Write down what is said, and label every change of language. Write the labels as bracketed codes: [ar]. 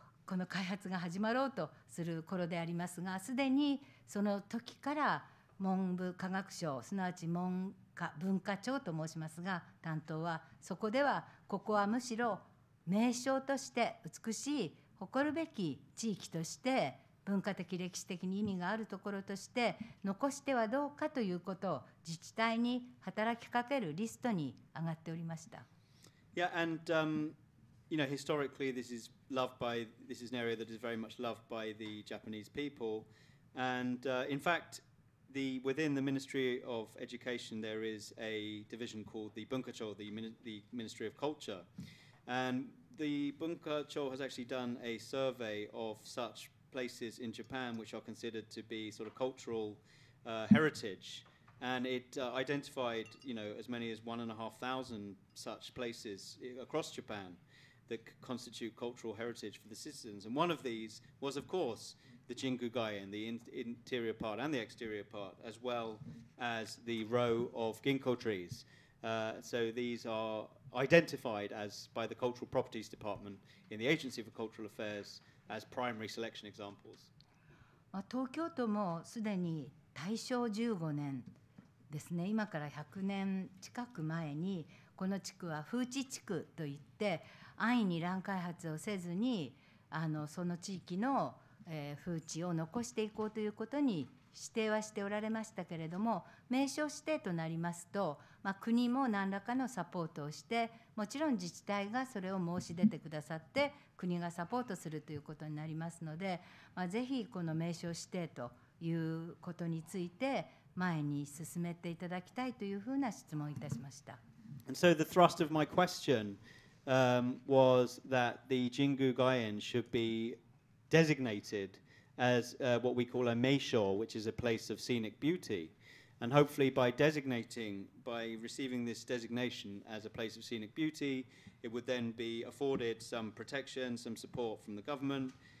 [ja] この開発が始まろうとする頃でありますが、すでにその時から文部科学省、すなわち文化庁と申しますが、担当はそこではここはむしろ名勝として美しい誇るべき地域として文化的歴史的に意味があるところとして残してはどうかということを自治体に働きかけるリストに上がっておりました。 [en] Yeah, and, you know, historically this is an area that is very much loved by the Japanese people. And in fact, within the Ministry of Education, there is a division called the Bunkacho, the Ministry of Culture. And the Bunkacho has actually done a survey of such places in Japan, which are considered to be sort of cultural heritage. And it identified, you know, as many as 1,500 such places across Japan. That constitute cultural heritage for the citizens. And one of these was, of course, the Jingu Gaien, the interior part and the exterior part, as well as the row of ginkgo trees. So these are identified as by the Cultural Properties Department in the Agency for Cultural Affairs as primary selection examples. [ja] まあ、東京都もすでに大正15年ですね、今から100年近く前に、この地区は風致地区といって、安易に乱開発をせずにその地域の風致を残していこうということに指定はしておられましたけれども、名称指定となりますと、まあ、国も何らかのサポートをして、もちろん自治体がそれを申し出てくださって、国がサポートするということになりますので、まあ、ぜひこの名称指定ということについて、前に進めていただきたいというふうな質問をいたしました。 [en] And so the thrust of my question, was that the Jingu Gaien should be designated as what we call a meisho, which is a place of scenic beauty. And hopefully by receiving this designation as a place of scenic beauty, it would then be afforded some protection, some support from the government.